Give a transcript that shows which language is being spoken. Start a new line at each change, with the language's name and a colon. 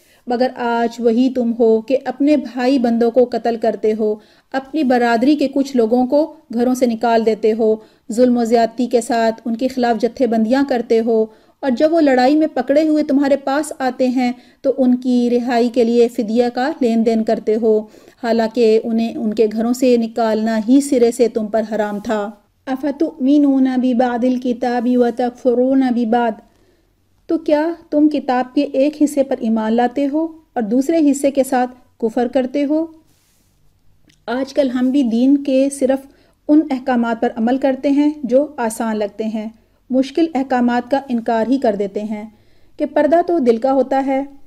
Urdu: مگر آج وہی تم ہو کہ اپنے بھائی بندوں کو قتل کرتے ہو، اپنی برادری کے کچھ لوگوں کو گھروں سے نکال دیتے ہو، ظلم و زیادتی کے ساتھ ان کے خلاف جتھے بندیاں کرتے ہو، اور جب وہ لڑائی میں پکڑے ہوئے تمہارے پاس آتے ہیں تو ان کی رہائی کے لیے فدیہ کا لین دین کرتے ہو، حالانکہ انہیں ان کے گھروں سے نکالنا ہی سرے سے تم پر حرام تھا۔
Arabic: افتؤمنون ببعض الكتاب وتكفرون ببعض،
Urdu: تو کیا تم کتاب کے ایک حصے پر ایمان لاتے ہو اور دوسرے حصے کے ساتھ کفر کرتے ہو؟ آج کل ہم بھی دین کے صرف ان احکامات پر عمل کرتے ہیں جو آسان لگتے ہیں، مشکل احکامات کا انکار ہی کر دیتے ہیں، کہ پردہ تو دل کا ہوتا ہے،